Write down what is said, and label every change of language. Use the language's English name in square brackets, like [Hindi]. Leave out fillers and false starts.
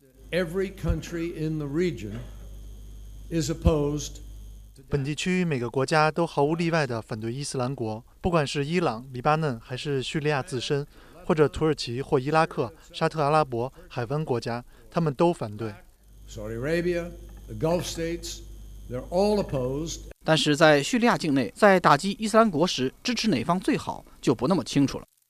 [English] Every country in the region is opposed. [Chinese] 本地区每个国家都毫无例外地反对伊斯兰国，不管是伊朗、黎巴嫩还是叙利亚自身，或者土耳其或伊拉克、沙特阿拉伯、海湾国家，他们都反对。 [English] Saudi Arabia, the Gulf states, they're all opposed. [Chinese] 但是在叙利亚境内，在打击伊斯兰国时，支持哪方最好就不那么清楚了。